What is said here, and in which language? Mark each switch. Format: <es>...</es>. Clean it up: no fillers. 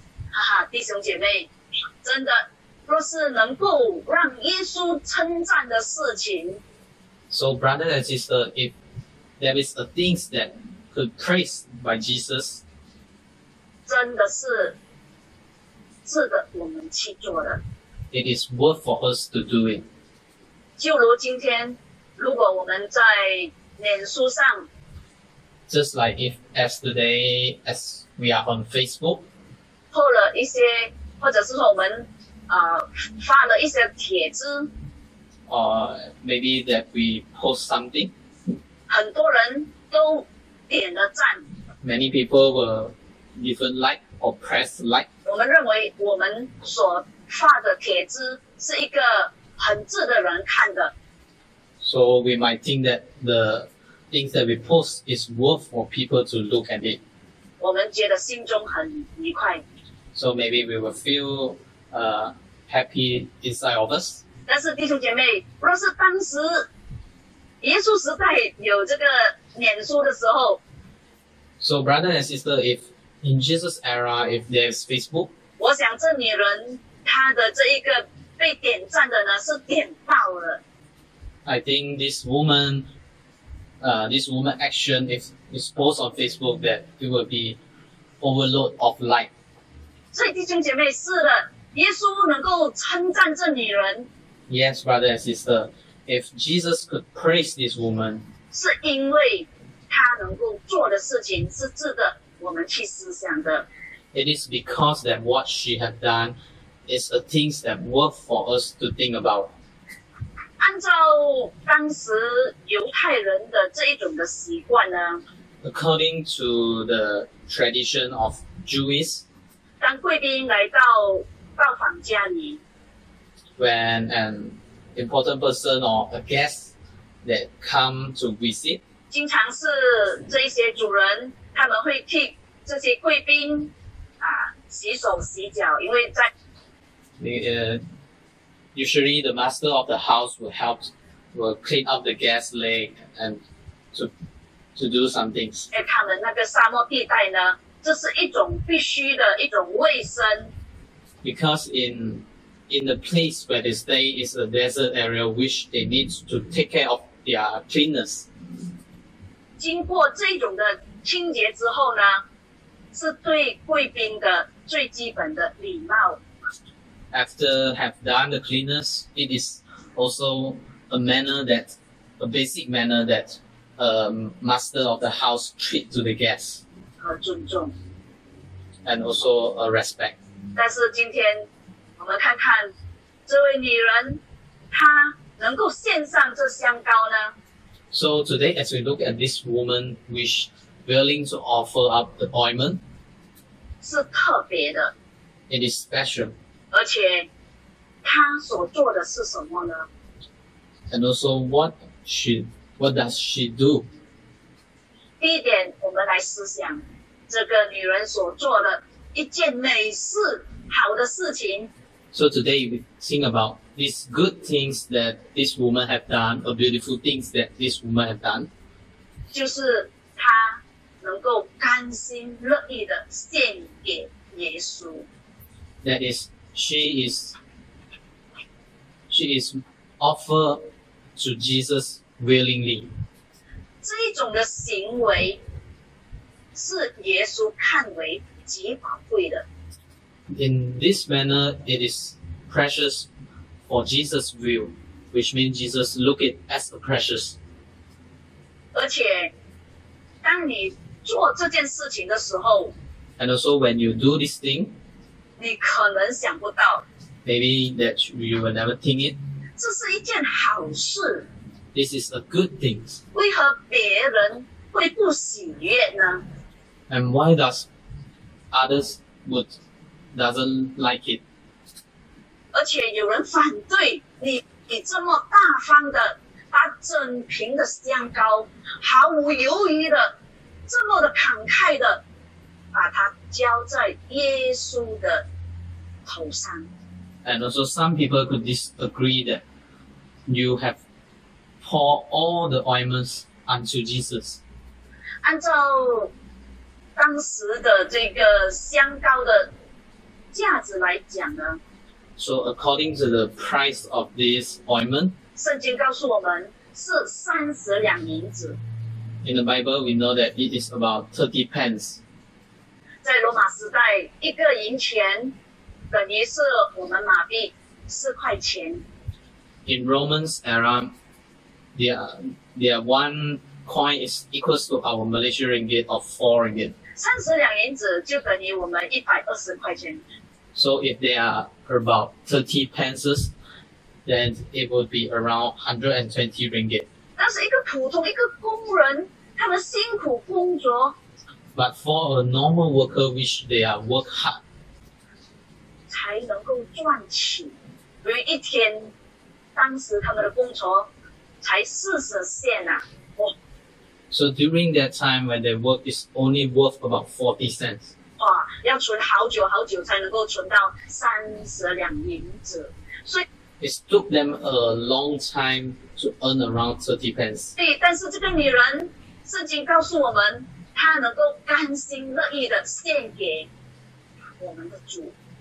<zh>哈哈，弟兄姐妹，真的，若是能够让耶稣称赞的事情。</zh> <en>So, brother and sister, if there is a thing that could praise by Jesus,</en> <zh>真的是值得我们去做的。</zh> <en>It is worth for us to do it.</en> <zh>就如今天。如果我们在脸书上</zh> <en>Just like if yesterday as we are on Facebook</en> <zh>破了一些或者是说我们发了一些帖子</zh> <en>Or maybe that we post something</en> <zh>很多人都点了赞</zh> <en>Many people will even like or press like</en> <zh>我们认为我们所发的帖子是一个很值得人看的</zh> <en>So we might think that the things that we post is worth for people to look at it.</en> <zh>我们觉得心中很愉快。</zh> <en>So maybe we will feel happy inside of us.</en> <zh>但是弟兄姐妹，若是当时耶稣时代有这个脸书的时候</zh> <en>，So brother and sister, if in Jesus' era, if there's Facebook,</en> <zh>我想这女人她的这一个被点赞的呢是点爆了。</zh> <en>I think this woman action if it's posted on Facebook that it will be overload of like.</en> <zh>所以弟兄姐妹是的，耶稣能够称赞这女人。</zh> <en>Yes, brother and sister, if Jesus could praise this woman,</en> <zh>是因为他能够做的事情是值得我们去思想的。</zh> <en>It is because that what she had done is a things that worth for us to think about.</en> <zh>按照当时犹太人的这一种的习惯呢</zh> <en>according to the tradition of Jews.</en> <zh>当贵宾来到拜访家里,</zh> <en>when an important person or a guest that come to visit,</en> <zh>经常是这些主人他们会替这些贵宾啊洗手洗脚，因为在</zh> <en>Usually the master of the house will help, will clean up the guest leg and to do some things.</en> <zh>他们那个沙漠地带呢，这是一种必须的一种卫生。</zh> <en>Because in the place where they stay is a desert area, which they need to take care of their cleanness.</en> <zh>经过这种的清洁之后呢，是对贵宾的最基本的礼貌。</zh> <en>After have done the cleanness, it is also a manner that, a basic manner that master of the house treat to the guests.</en> <zh>尊重。</zh> <en>And also a respect.</en> <zh>但是今天我们看看这位女人她能够献上这香膏呢。</zh> <en>So today as we look at this woman which willing to offer up the ointment.</en> <zh>是特别的。</zh> <en>It is special.</en> <zh>而且他所做的是什么呢?</zh> <en>And also what does she do?</en> <zh>第一点我们来思想这个女人所做的一件美事好的事情。</zh> <en>So today we think about these good things that this woman have done, or beautiful things that this woman have done.</en> <zh>就是她能够甘心乐意的献给耶稣。</zh> <en>That is,She is offered to Jesus willingly.</en> <zh>这一种的行为是耶稣看为极宝贵的。</zh> <en>In this manner, it is precious for Jesus' view, which means Jesus look it as a precious.</en> <zh>而且，当你做这件事情的时候</zh> <en>，And also when you do this thing.</en> <zh>你可能想不到</zh> <en>Maybe that you will never think it.</en> <zh>这是一件好事</zh> <en>This is a good thing.</en> <zh>为何别人会不喜悦呢?</zh> <en>And why does others would doesn't like it?</en> <zh>而且有人反对 你这么大方的把整瓶的香膏毫无犹豫的这么的慷慨的把它浇在耶稣的头上。</zh> <en>And also some people could disagree that you have poured all the ointments unto Jesus.</en> <zh>按照当时的这个香膏的价值来讲呢。</zh> <en>So according to the price of this ointment,</en> <zh>圣经告诉我们是32银子。</zh> <en>In the Bible, we know that it is about 30 pence.</en> <zh>在罗马时代，一个银钱等于是我们马币4块钱。</zh> <en>In Romans era, their one coin is equals to our Malaysian ringgit of 4 ringgit.</en> <zh>32银子就等于我们120块钱。</zh> <en>So if they are about 30 pences, then it would be around 120 ringgit.</en> <zh>但是一个普通一个工人，他们辛苦工作。</zh> <en>But for a normal worker, which they are work hard,</en> <zh>才能够赚钱。比如一天，当时他们的工酬才40 cents 啊！哇</zh> <en>！So during that time when they work is only worth about 40 cents. 哇！</en> <zh>要存好久好久才能够存到32银子，所以</zh> <en>it took them a long time to earn around 30 pence.</en> <zh>对，但是这个女人，圣经告诉我们。他能够甘心乐意的献给我们的主。</zh>